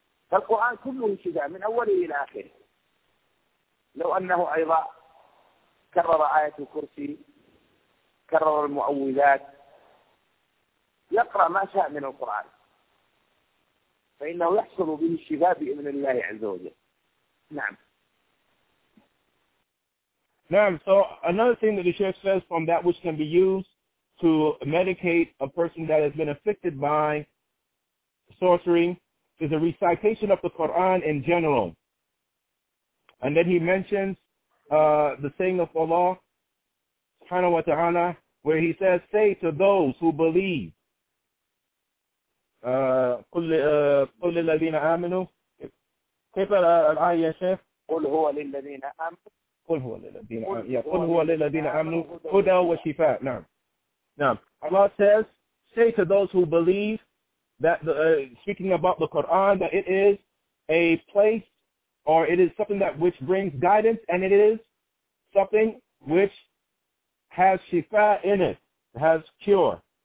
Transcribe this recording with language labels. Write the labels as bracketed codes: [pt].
[ar] فالقرآن كله شفاء من أوله إلى آخره. لو أنه أيضا كرر آية الكرسي، كرر المعوذات، يقرأ ما شاء من القرآن، فإنه يحصل به الشفاء بإذن الله عز وجل. نعم. [en] Now, so another thing that the chef says from that which can be used to medicate a person that has been afflicted by sorcery is a recitation of the Quran in general. And then he mentions the saying of Allah subhanahu wa ta'ala, where he says, say to those who believe, [ar] قل للذين آمنوا. كيف الآية يا شيخ؟ قل هو للذين آمنوا. قل هو للذين آمنوا هدى وشفاء. نعم. نعم. [en] Allah says, say to those who believe that the, speaking about the Quran, that it is a place or it is something that which brings guidance and it is something which has shifa in it, has cure.